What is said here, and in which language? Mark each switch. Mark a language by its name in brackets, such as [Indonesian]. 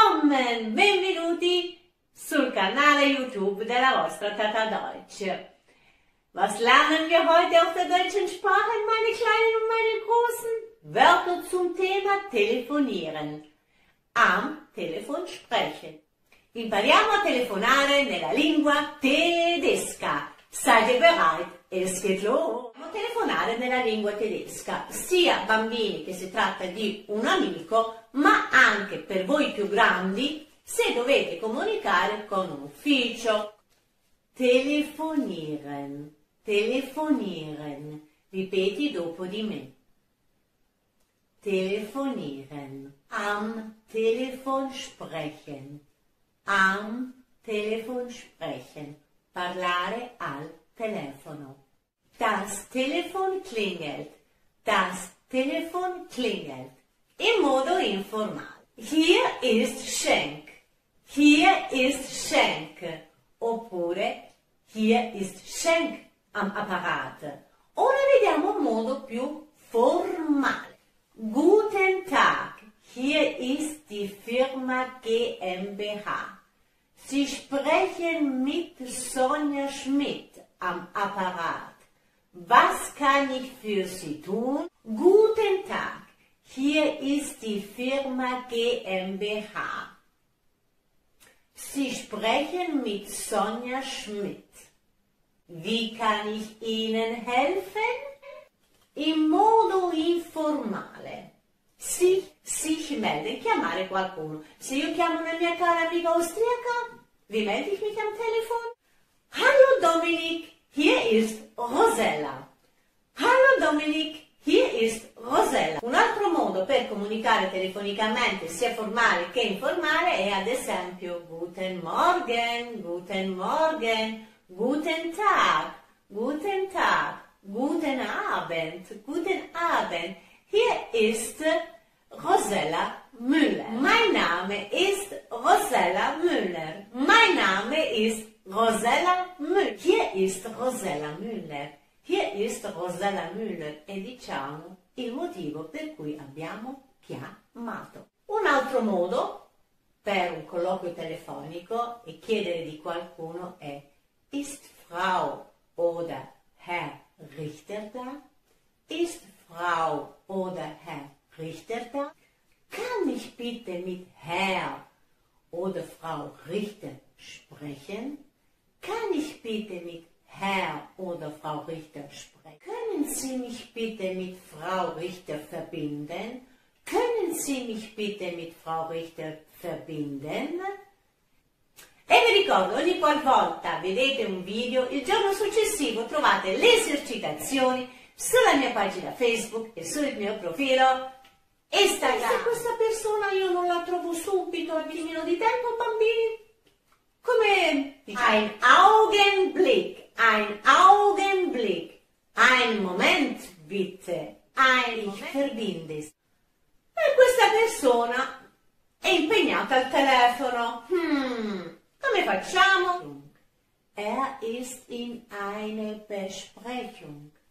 [Italian] Benvenuti sul canale YouTube della vostra Tata Deutsch. [German] Was lernen wir heute auf der deutschen Sprache, meine Kleinen und meine Großen? Wörter zum Thema telefonieren. Am Telefon sprechen. [Italian] Impariamo a telefonare nella lingua tedesca. [German] Seid ihr bereit? Es geht los! [Italian] Telefonare nella lingua tedesca, sia bambini che si tratta di un amico, ma anche per voi più grandi se dovete comunicare con un ufficio. [German] Telefonieren, telefonieren, [Italian] ripeti dopo di me. [German] Telefonieren, am Telefon sprechen, am Telefon sprechen, [Italian] parlare al telefono. [German] Das Telefon klingelt. Das Telefon klingelt. [Italian] In modo informale. [German] Hier ist Schenk. Hier ist Schenk. Oppure, hier ist Schenk am Apparat. [Italian] Ora vediamo un modo più formale. [German] Guten Tag. Hier ist die Firma GmbH. Sie sprechen mit Sonja Schmidt am Apparat. Was kann ich für Sie tun? Guten Tag, hier ist die Firma GmbH. Sie sprechen mit Sonja Schmidt. Wie kann ich Ihnen helfen? [Italian] In modo informale. [German] Sich melden, [Italian] chiamare qualcuno. Se io chiamo una mia cara amica austriaca, [German] wie melde ich mich am Telefon? Hallo Dominik, hier ist Rosella. Hallo Dominik, hier ist Rosella. [Italian] Un altro modo per comunicare telefonicamente, sia formale che informale, è ad esempio [German] Guten Morgen, Guten Morgen, Guten Tag, Guten Tag, Guten Abend, [Italian] Guten Abend. [German] Hier ist Rosella Müller. Mein Name ist Rosella Müller. Mein Name ist Rosella Müller. Hier ist Rosella Müller. Hier ist Rosella Müller. [Italian] E diciamo il motivo per cui abbiamo chiamato. Un altro modo per un colloquio telefonico e chiedere di qualcuno è: [German] Ist Frau oder Herr Richter da? Ist Frau oder Herr Richter da? Kann ich bitte mit Herr oder Frau Richter sprechen? Kann ich bitte mit Herr oder Frau Richter sprechen? Können Sie mich bitte mit Frau Richter verbinden? Können Sie mich bitte mit Frau Richter verbinden? [Italian] E vi ricordo, ogni qualvolta vedete un video, il giorno successivo trovate le esercitazioni sulla mia pagina Facebook e sul mio profilo Instagram. E se questa persona io non la trovo subito, al minimo di tempo, bambini? Come diciamo? [German] Ein Augenblick, ein Augenblick, ein Moment bitte, ein Verbindes. [Italian] E questa persona è impegnata al telefono. Come facciamo? [German] Er ist in eine Besprechung.